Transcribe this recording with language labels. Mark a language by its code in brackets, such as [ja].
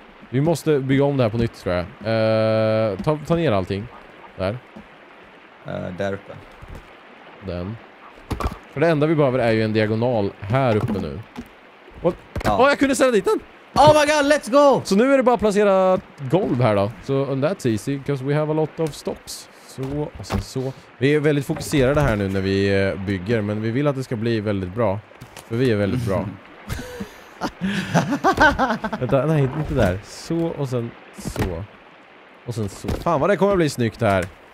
[sv] Vi måste bygga om det här på nytt, tror jag. Ta ner allting. Där. Där uppe. Den. För det enda vi behöver är ju en diagonal här uppe nu. Åh, ja. Jag kunde ställa dit den! [en] Oh my god, let's go! [sv] Så nu är det bara att placera golv här då. [en] So, and that's easy, because we have a lot of stocks. [sv] Så, och sen så. Vi är väldigt fokuserade här nu när vi bygger, men vi vill att det ska bli väldigt bra. För vi är väldigt bra. Vänta, nej, inte där. Så, och sen så. Och sen så. Fan vad det kommer att bli snyggt här.